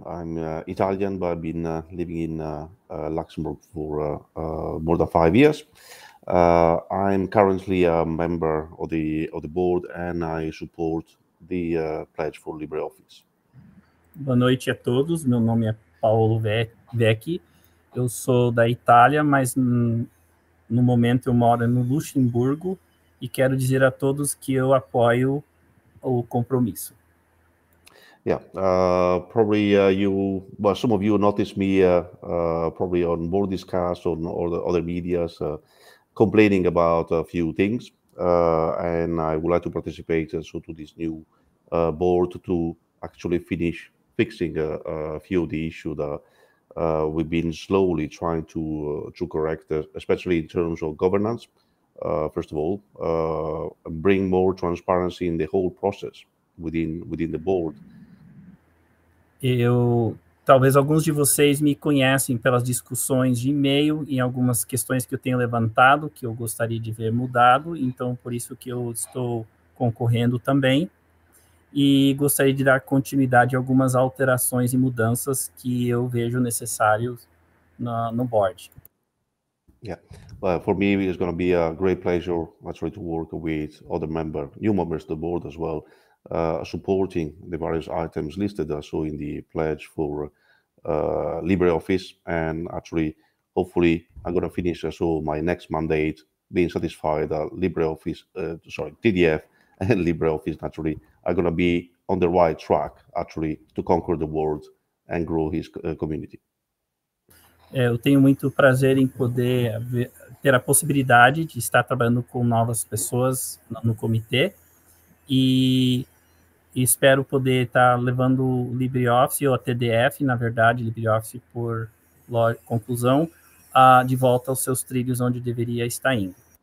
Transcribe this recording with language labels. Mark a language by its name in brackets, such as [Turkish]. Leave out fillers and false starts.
[English] I'm Italian, but I've been living in Luxembourg for more than 5 years. I'm currently a member of the board, and I support the pledge for LibreOffice. [Portuguese] Boa noite a todos. Meu nome é Paolo Vecchi. Eu sou da Itália, mas no momento eu moro no Luxemburgo e quero dizer a todos que eu apoio o compromisso. [English] Yeah, probably some of you noticed me probably on board discuss or other medias complaining about a few things, and I would like to participate also to this new board to actually finish fixing a few of the issues that we've been slowly trying to correct, especially in terms of governance, first of all, bring more transparency in the whole process within the board. [Portuguese] Talvez alguns de vocês me conhecem pelas discussões de e-mail em algumas questões que eu tenho levantado, que eu gostaria de ver mudado, então por isso que eu estou concorrendo também. E gostaria de dar continuidade a algumas alterações e mudanças que eu vejo necessários no board. [English] Yeah, well, for me it's going to be a great pleasure actually to work with other new members of the board as well, supporting the various items listed also in the pledge for LibreOffice, and actually hopefully I'm going to finish also my next mandate being satisfied that TDF and LibreOffice naturally are going to be on the right track, actually, to conquer the world and grow his community. [Portuguese] Eu tenho muito prazer em poder ter a possibilidade de estar trabalhando com novas pessoas no comitê e espero poder estar levando o LibreOffice, ou a TDF, na verdade, LibreOffice por conclusão, de volta aos seus trilhos onde deveria estar indo.